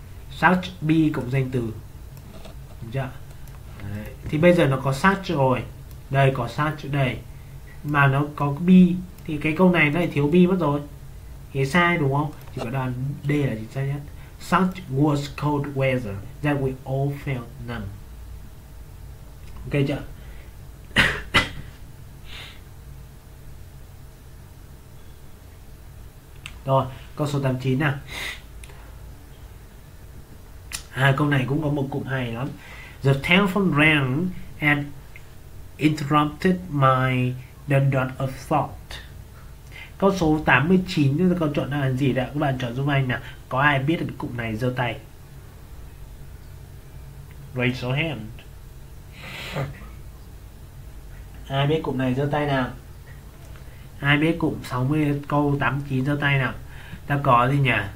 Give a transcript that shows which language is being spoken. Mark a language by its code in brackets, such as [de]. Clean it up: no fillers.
[vi] Such be cộng danh từ. Đúng chưa? Thì bây giờ nó có such rồi. Đây có such đây. Mà nó có be. Thì cái câu này nó lại thiếu be mất rồi. Thì sai đúng không? Chỉ có đoạn D là chính xác nhất. [en] Such was cold weather that we all felt numb. [vi] Ok chưa? Rồi câu số 89 nào. Câu này cũng có một cụm hay lắm. [en] The telephone rang and interrupted my dun of thought. [vi] Câu số 89 chúng ta có chọn là gì đấy? Các bạn chọn giúp anh nè. Có ai biết được cụm này giơ tay. [en] Raise your hand. [vi] Ai biết cụm này giơ tay nào? Ai biết cụm 60 câu 89 giơ tay nào? Ta có gì nhỉ?